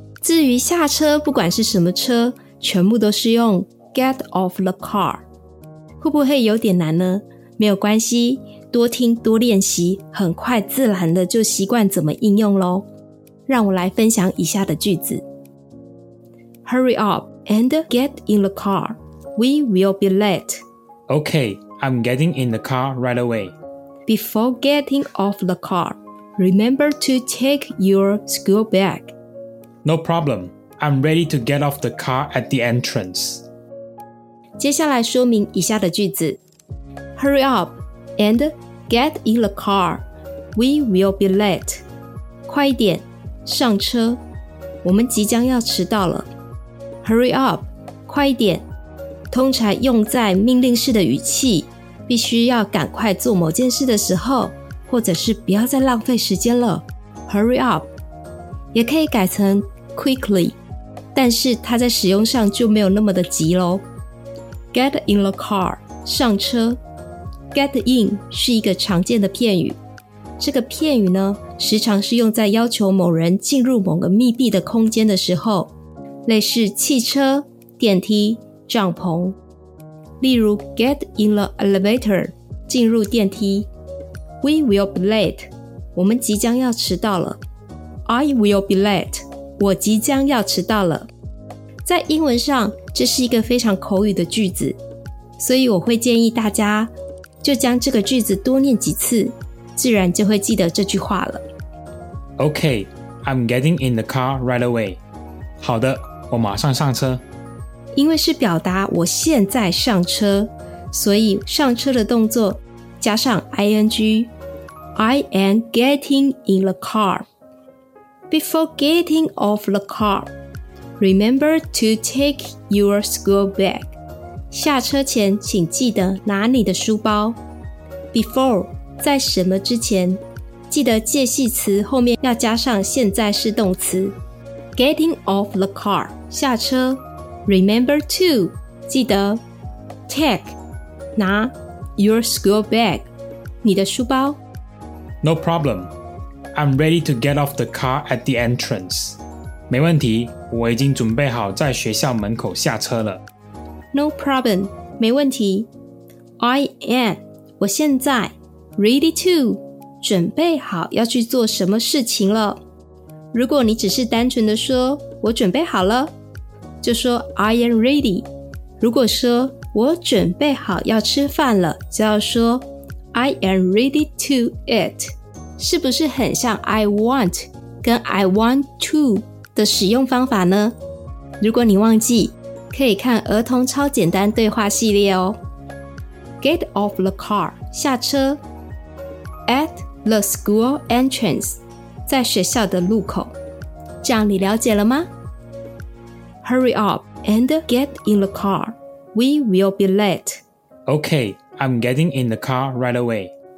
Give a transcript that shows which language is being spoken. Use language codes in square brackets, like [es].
[zh] 至于下车，不管是什么车，全部都是用 [en] get off the car。 [zh] 会不会有点难呢？没有关系，多听多练习，很快自然的就习惯怎么应用咯。让我来分享以下的句子。 [en] Hurry up and get in the car. We will be late. Okay, I'm getting in the car right away. Before getting off the car, remember to take your school bag. No problem. I'm ready to get off the car at the entrance. [zh] 接下来说明以下的句子。 [en] Hurry up and get in the car. We will be late. [zh] 快一点，上车，我们即将要迟到了。 [en] Hurry up, [zh] 快一点，通常用在命令式的语气，必须要赶快做某件事的时候，或者是不要再浪费时间了。 [en] Hurry up, [zh] 也可以改成 quickly，但是它在使用上就没有那么的急咯。 [en] Get in the car， [zh] 上车。 Get in 是一个常见的片语，这个片语呢时常是用在要求某人进入某个密闭的空间的时候，类似汽车、电梯、帐篷。例如 [en] Get in the elevator， [zh] 进入电梯。 [en] We will be late， [zh] 我们即将要迟到了。 [en] I will be late， [zh] 我即将要迟到了。在英文上这是一个非常口语的句子，所以我会建议大家就将这个句子多念几次，自然就会记得这句话了。 [en] OK, I'm getting in the car right away. [zh] 好的，我马上上车。因为是表达我现在上车，所以上车的动作加上 [en] ing， I am getting in the carBefore getting off the car, remember to take your school bag. [zh] 下车前请记得拿你的书包。Before 在什么之前，记得介系词后面要加上现在式动词。 [en] Getting off the car, [zh] 下车。 [en] Remember to, [zh] 记得。 [en] Take, [zh] 拿。 [en] Your school bag, [zh] 你的书包。 [en] No problem. I'm ready to get off the car at the entrance. [zh] 没问题，我已经准备好在学校门口下车了。 [en] No problem, [zh] 没问题。 [en] I am, [zh] 我现在 [en] ready to, [zh] 准备好要去做什么事情了。如果你只是单纯的说我准备好了，就说 [en] I am ready。 [zh] 如果说我准备好要吃饭了，就要说 [en] I am ready to eat。 [zh] 是不是很像 [en] I want [zh] 跟 [en] I want to [zh] 的使用方法呢？如果你忘记，可以看儿童超简单对话系列哦。 [en] Get off the car， [zh] 下车。 [en] At the school entrance， [zh] 在学校的路口。这样你了解了吗？ [en] Hurry up and get in the car， We will be late。 Okay, I'm getting in the car right away